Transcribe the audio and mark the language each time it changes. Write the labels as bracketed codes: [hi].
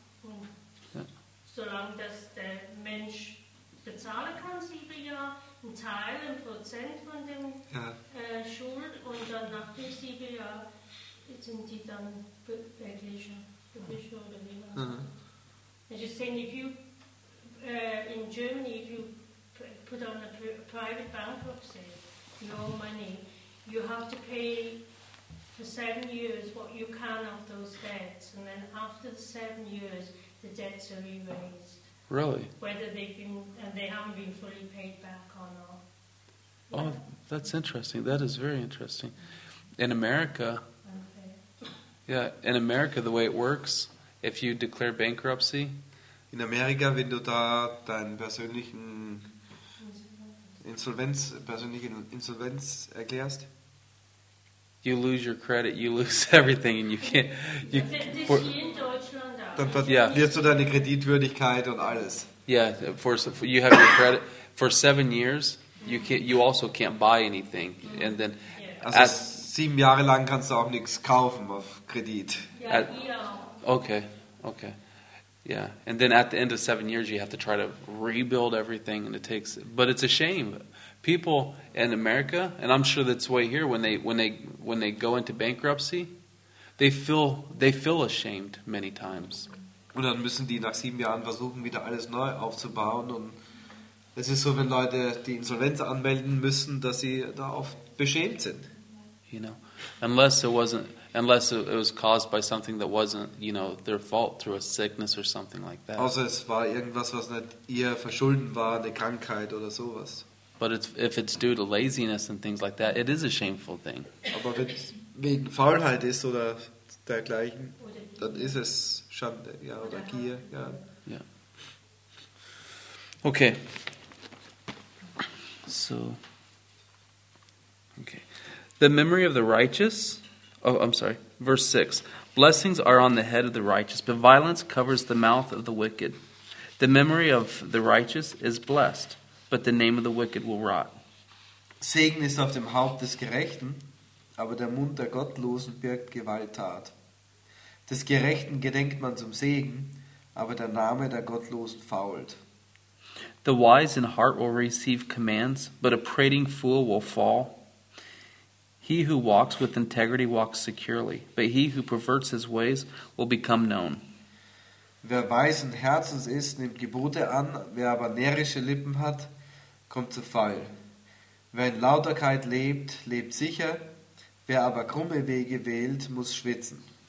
[de] Und solange das der Mensch bezahlen kann, 7 Jahre, ein Teil, ein Prozent von dem Schuld, und dann nach den 7 Jahren sind die dann wirklich gewischt oder wie was. Mhm. Ich sehe, [en] if you in Germany, if you put on a private bankruptcy, your money, you have to pay for 7 years what you can of those debts, and then after the 7 years, the debts are erased. Really? Whether they've been, and they haven't been fully paid back or not. Yeah. Oh, that's interesting. That is very interesting. In America, in America, the way it works, if you declare bankruptcy, [de] in America, wenn du da deinen persönlichen Insolvenz, persönliche Insolvenz erklärst? [en] You lose your credit, you lose everything and you can't... You, [de] for, das ist hier in Deutschland auch. Dann verlierst du deine Kreditwürdigkeit und alles. [en] Yeah, for you have your credit for 7 years, you can't, you also can't buy anything. Mm-hmm. And then, [de] also 7 Jahre lang kannst du auch nichts kaufen auf Kredit. Ja, at, [en] okay, okay. Yeah, and then at the end of 7 years, you have to try to rebuild everything, and it takes. But it's a shame. People in America, and I'm sure that's way here, when they go into bankruptcy, they feel ashamed many times. [de] Und dann müssen die nach 7 Jahren versuchen, wieder alles neu aufzubauen. Und es ist so, wenn Leute die Insolvenz anmelden müssen, dass sie da oft beschämt sind. [en] You know, unless it was caused by something that wasn't, you know, their fault through a sickness or something like that. [de] Also es war irgendwas, was nicht ihr verschulden war, eine Krankheit oder sowas. [en] But if it's due to laziness and things like that, it is a shameful thing. [de] Aber wenn es wegen Faulheit ist oder dergleichen, dann ist es Schande, ja, oder Gier, ja. [en] Yeah. Okay. So. Okay. The memory of the righteous... Oh, I'm sorry. Verse 6. Blessings are on the head of the righteous, but violence covers the mouth of the wicked. The memory of the righteous is blessed, but the name of the wicked will rot. [de] Segen ist auf dem Haupt des Gerechten, aber der Mund der Gottlosen birgt Gewalttat. Des Gerechten gedenkt man zum Segen, aber der Name der Gottlosen fault. [en] The wise in heart will receive commands, but a prating fool will fall. He who walks with integrity walks securely, but he who perverts his ways will become known. [de] Wer weisen Herzens ist, nimmt Gebote an, wer aber närrische Lippen hat, kommt zu Fall. Wer in Lauterkeit lebt, lebt sicher, wer aber krumme Wege wählt, muss schwitzen.